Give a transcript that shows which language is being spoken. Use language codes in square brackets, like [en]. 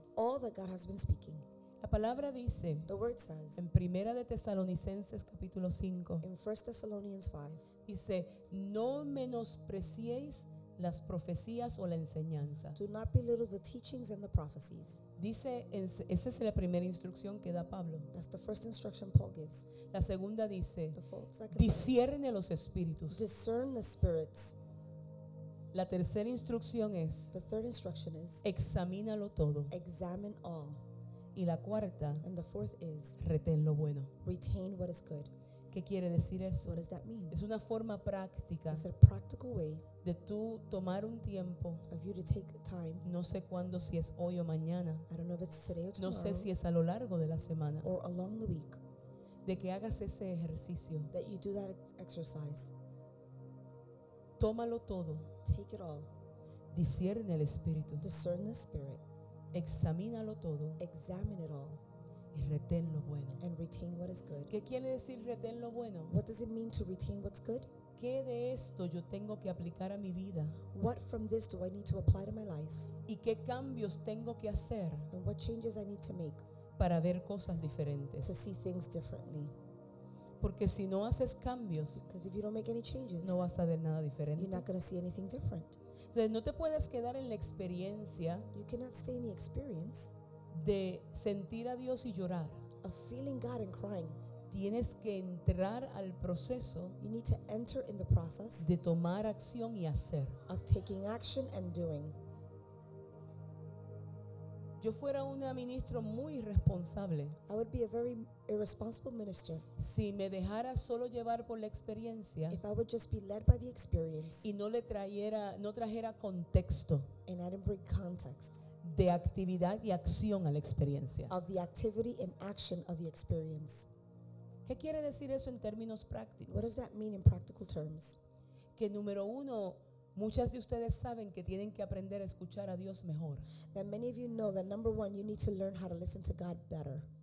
[en] All that God has been speaking. [es] La palabra dice, [en] the word says, [es] en Primera de Tesalonicenses capítulo 5, [en] in First Thessalonians 5, [es] dice, no menospreciéis las profecías o la enseñanza. [en] Do not belittle the teachings and the prophecies. [es] Dice, esa es la primera instrucción que da Pablo. [en] That's the first instruction Paul gives. [es] La segunda dice, discierne los espíritus. [en] Discern the spirits. [es] La tercera instrucción es, [en] the third instruction is, [es] examínalo todo. [en] Examine all. [es] Y la cuarta, [en] and the fourth is, [es] retén lo bueno. [en] Retain what is good. [es] ¿Qué quiere decir eso? [en] What does that mean? [es] Es una forma práctica. [en] It's a practical way [es] de tú tomar un tiempo. [en] Of you to take time. [es] No sé cuándo, si es hoy o mañana. [en] I don't know if it's today or tomorrow. [es] No sé si es a lo largo de la semana. [en] Or along the week. [es] De que hagas ese ejercicio. [en] That you do that exercise. [es] Tómalo todo. [en] Take it all. [es] Discierne el espíritu. [en] Discern the spirit. [es] Examínalo todo. [en] Examine it all. [es] Y retén lo bueno. [en] And retain what is good. [es] ¿Qué quiere decir retén lo bueno? [en] What does it mean to retain what's good? [es] ¿Qué de esto yo tengo que aplicar a mi vida? [en] What from this do I need to apply to my life? [es] ¿Y qué cambios tengo que hacer? [en] And what changes I need to make? [es] Para ver cosas diferentes. [en] To see things differently. [es] Porque si no haces cambios, [en] because if you don't make any changes, [es] no vas a ver nada diferente. [en] You're not going to see anything different. [es] Entonces, no te puedes quedar en la experiencia. [en] You cannot stay in the experience. [es] De sentir a Dios y llorar. [en] Of feeling God and crying. [es] Tienes que entrar al proceso. [en] You need to enter in the process. [es] De tomar acción y hacer. [en] Of taking action and doing. [es] Yo fuera una ministro muy irresponsable. [en] I would be a very irresponsible minister. [es] Si me dejara solo llevar por la experiencia. [en] If I would just be led by the experience. [es] Y no trajera contexto. [en] And I didn't bring context. [es] De actividad y acción a la experiencia. [en] Of the activity and action of the experience. [es] ¿Qué quiere decir eso en términos prácticos? [en] What does that mean in practical terms? [es] Que número uno, muchas de ustedes saben que tienen que aprender a escuchar a Dios mejor. [en] That many of you know that number one, you need to learn how to listen to God better.